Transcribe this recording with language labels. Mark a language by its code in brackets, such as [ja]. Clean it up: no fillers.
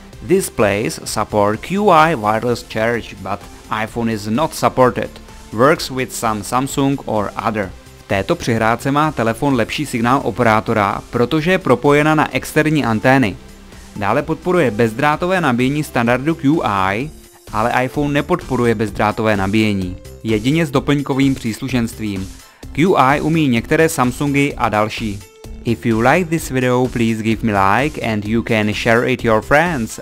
[en] This place support QI wireless charge, but iPhone is not supported. Works with some Samsung or other. [cs] V této přihrádce má telefon lepší signál operátora, protože je propojena na externí antény. Dále podporuje bezdrátové nabíjení standardu QI, ale iPhone nepodporuje bezdrátové nabíjení. Jedině s doplňkovým příslušenstvím. QI umí některé Samsungy a další. [en] If you like this video, please give me like and you can share it your friends.